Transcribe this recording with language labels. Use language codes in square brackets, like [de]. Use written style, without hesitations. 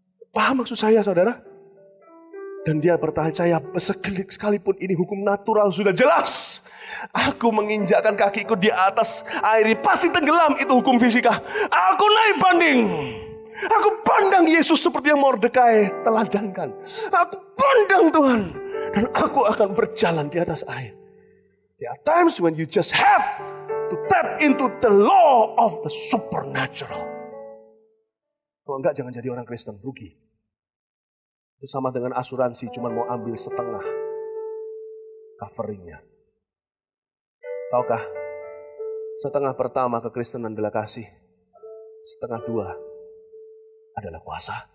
[id] Paham maksud saya, saudara? Dan dia percaya, sekalipun ini hukum natural sudah jelas. Aku menginjakkan kakiku di atas air, pasti tenggelam, itu hukum fisika. Aku naik banding. Aku pandang Yesus seperti yang Mordekai teladankan. Aku pandang Tuhan. Dan aku akan berjalan di atas air. [en] There are times when you just have to tap into the law of the supernatural. [id] Kalau enggak, jangan jadi orang Kristen. Rugi. Itu sama dengan asuransi. Cuma mau ambil setengah coveringnya. Taukah Setengah pertama kekristenan adalah kasih. Setengah dua adalah kuasa.